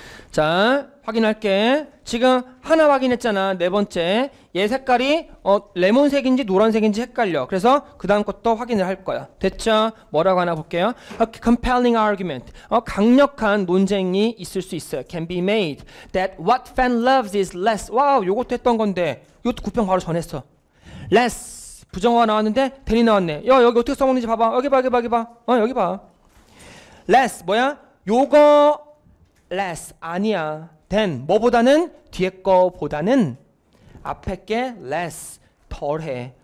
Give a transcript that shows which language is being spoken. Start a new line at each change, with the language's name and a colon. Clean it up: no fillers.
Korean: 자, 확인할게. 지금 하나 확인했잖아. 네 번째. 얘 색깔이 레몬색인지 노란색인지 헷갈려. 그래서 그 다음 것도 확인을 할 거야. 됐죠? 뭐라고 하나 볼게요.
English: A compelling argument.
Korean: 강력한 논쟁이 있을 수 있어요.
English: Can be made that what fan loves is less.
Korean: 와우, 요것도 했던 건데. 요것도 구평 바로 전했어.
English: Less.
Korean: 부정어가 나왔는데 된이 나왔네. 야, 여기 어떻게 써먹는지 봐봐. 여기 봐, 여기 봐, 여기 봐. 어, 여기 봐. Less. 뭐야? 요거 less 아니야. than 뭐보다는 뒤에 거보다는 앞에 게 less 덜해.